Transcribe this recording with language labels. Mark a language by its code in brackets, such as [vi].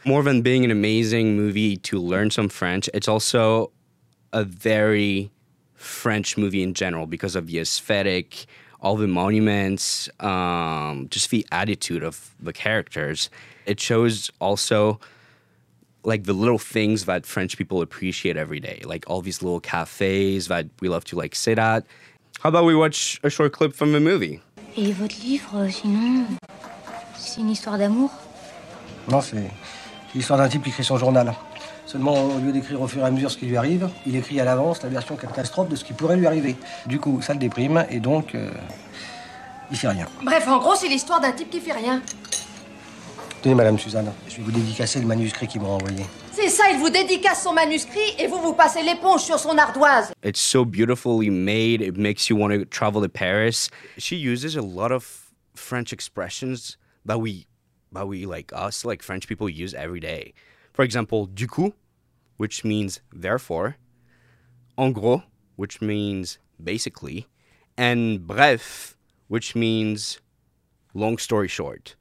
[en] More than being an amazing movie to learn some French, it's also a very French movie in general because of the aesthetic, all the monuments, just the attitude of the characters. It shows also like the little things that French people appreciate every day, like all these little cafes that we love to like sit at. How about we watch a short clip from the movie? [fr] Et votre livre, sinon, c'est une histoire d'amour? Non, c'est l'histoire d'un type qui écrit son journal. Seulement, au lieu d'écrire au fur et à mesure ce qui lui arrive, il écrit à l'avance la version catastrophe de ce qui pourrait lui arriver. Du coup, ça le déprime, et donc, il fait rien. Bref, en gros, c'est l'histoire d'un type qui fait rien. Tenez, Madame Suzanne, je vais vous dédicacer le manuscrit qu'ils m'ont envoyé. C'est ça, il vous dédicace son manuscrit et vous vous passez l'éponge sur son ardoise. [en] It's so beautifully made, it makes you want to travel to Paris. She uses a lot of French expressions that we like us, like French people use every day. For example, [fr] du coup, [en] which means therefore. [fr] En gros, [en] which means basically. And bref, which means long story short.